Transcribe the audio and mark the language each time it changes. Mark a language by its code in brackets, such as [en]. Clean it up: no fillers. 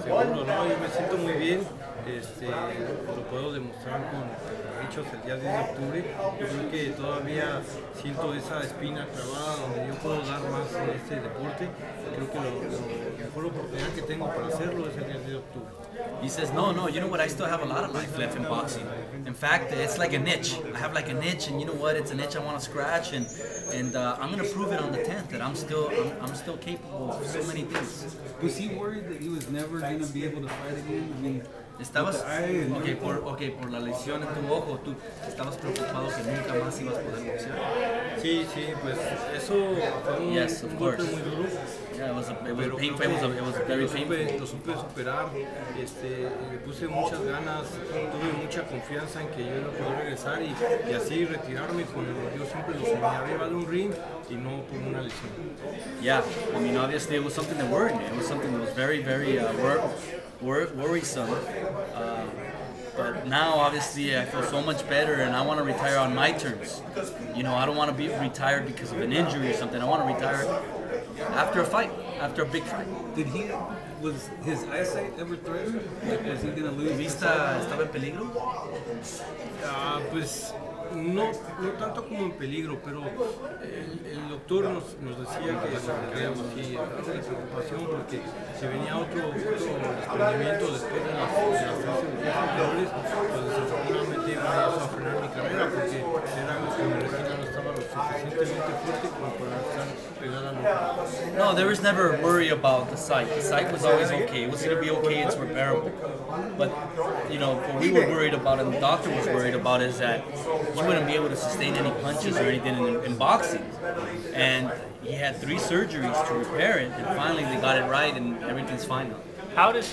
[es] Seguro, no, yo me siento muy bien. Lo puedo demostrar con hechos el día 10 de octubre. Yo creo que todavía siento esa espina clavada donde yo puedo dar más en este deporte. Creo que la mejor oportunidad que tengo para hacerlo es el 10 de octubre. [en] He says, no, you know what, I still have a lot of life left in boxing. In fact, it's like a niche. I have like a niche, and you know what, it's an itch I want to scratch, and I'm going to prove it on the 10th that I'm still capable of so many things. Was he worried that he was never going to be able to fight again? I mean, [es] estabas, por la lesión en tu ojo, tú estabas preocupado que nunca más ibas a poder boxear. Sí, sí, pues eso fue un golpe muy duro. Lo supe superar, le puse muchas ganas, tuve mucha confianza en que yo iba a poder regresar y así retirarme, yo siempre lo soñé arriba de un ring. Y no por una lesión. [en] Yeah, I mean, obviously it was something that worried me. It was something that was very, very worrisome. But now, obviously, I feel so much better, and I want to retire on my terms. You know, I don't want to be retired because of an injury or something. I want to retire after a fight, after a big fight. Was his eyesight ever threatened? Like, was he going to lose? [es] ¿Vista estaba en peligro? Pues. No tanto como en peligro, pero el doctor nos decía que teníamos aquí la preocupación porque si venía otro desprendimiento después de las tres cirugías anteriores, pues desafortunadamente iba a frenar mi carrera porque era algo que mi retina no estaba lo suficientemente fuerte como para estar pegada a la boca. [en] No, there was never a worry about the sight. The sight was always okay. It was going to be okay, it's repairable. But, you know, what we were worried about and the doctor was worried about is that he wouldn't be able to sustain any punches or anything in boxing. And he had three surgeries to repair it, and finally they got it right and everything's fine now.